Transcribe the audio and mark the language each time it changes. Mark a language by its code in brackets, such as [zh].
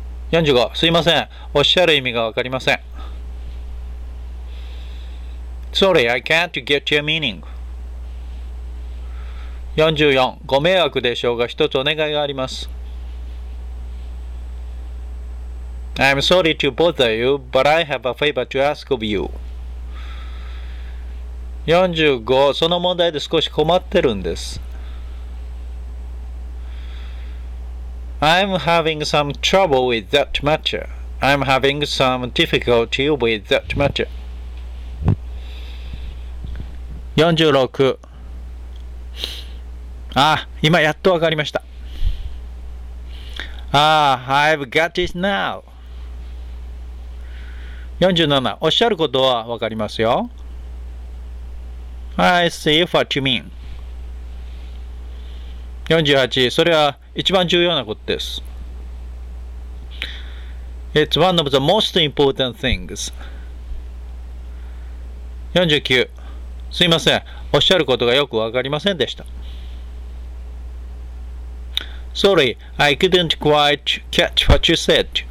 [ja] 45、すいません、おっしゃる意味がわかりません。 [en] Sorry, I can't get your meaning. [ja] 44、ご迷惑でしょうが、一つお願いがあります。 [en] I'm sorry to bother you, but I have a favor to ask of you. [ja] 45、その問題で少し困ってるんです。 [en] I'm having some trouble with that matter. I'm having some difficulty with that matter. [ja] 46、ああ、今やっとわかりました。 [en] ああ、I've got it now. [ja] 47、おっしゃることはわかりますよ。 [en] I see what you mean. [ja] 48、それは一番重要なことです。 [en] It's one of the most important things. [ja] 49、すいません、おっしゃることがよくわかりませんでした。 [en] Sorry, I couldn't quite catch what you said.